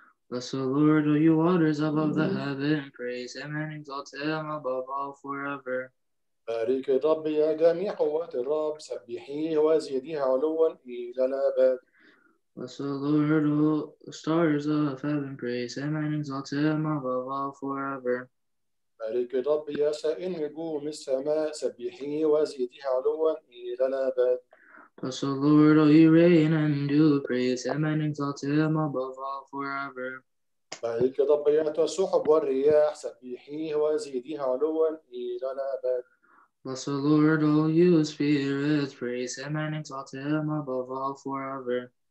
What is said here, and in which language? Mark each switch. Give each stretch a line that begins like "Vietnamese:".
English: Bless the Lord, O you waters above the heaven, praise him and exalt him above all forever.
Arabic: بارك الرب يا جميع قوات الرب سبحيه وزيديه علوا إلى الأبد.
English: Bless the Lord, O stars of heaven, praise him and exalt him above all forever.
Arabic: بارك الرب يا سائل نجوم السماء سبحيه وزيديه علوا إلى الأبد.
English: Bless the Lord, O you reign and do, praise him and exalt him above all forever.
Arabic: بارك الرب يا السحب والرياح سبحيه وزيديه علوا إلى الأبد.
English: Bless the Lord, all you spirits, praise him and exalt him above all forever.